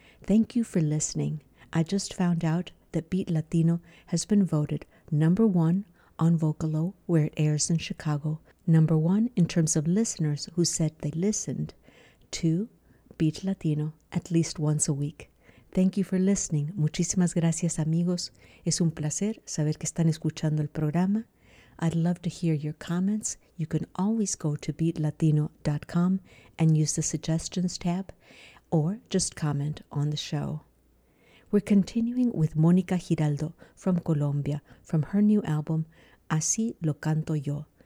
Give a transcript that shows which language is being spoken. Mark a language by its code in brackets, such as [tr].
[en] Thank you for listening. I just found out that Beat Latino has been voted number one on Vocalo, where it airs in Chicago, number one in terms of listeners who said they listened to Beat Latino at least once a week. Thank you for listening. [es] Muchísimas gracias, amigos. Es un placer saber que están escuchando el programa. [en] I'd love to hear your comments. You can always go to beatlatino.com and use the suggestions tab, or just comment on the show. We're continuing with Mónica Giraldo from Colombia, from her new album, Así lo canto yo.